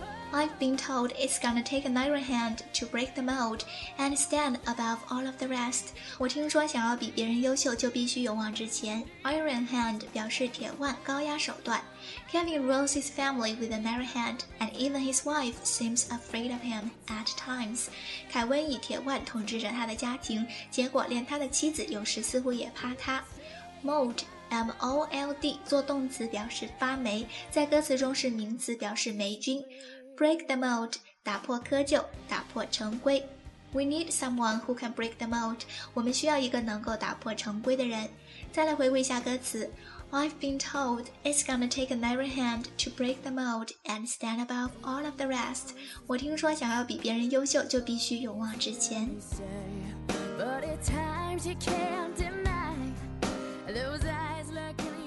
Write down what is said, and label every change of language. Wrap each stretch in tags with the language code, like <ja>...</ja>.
<en>I've been told it's gonna take an iron hand to break the mold and stand above all of the rest.</en> <zh>我听说想要比别人优秀就必须勇往直前。 Iron hand 表示铁腕、高压手段。</zh> <en>Kevin rules his family with an iron hand and even his wife seems afraid of him at times.</en> <zh>凯文以铁腕统治着他的家庭，结果连他的妻子有时似乎也怕他。 Mold M-O-L-D 做动词表示发霉，在歌词中是名词表示霉菌。 Break the mold, 打破窠臼，打破成规。</zh> <en>We need someone who can break the mold,</en> <zh>我们需要一个能够打破成规的人。再来回顾一下歌词。</zh> <en>I've been told it's gonna take an iron hand to break the mold and stand above all of the rest.</en> <zh>我听说想要比别人优秀就必须勇往直前。</zh> <en>But at times you can't deny those eyes looking.</en>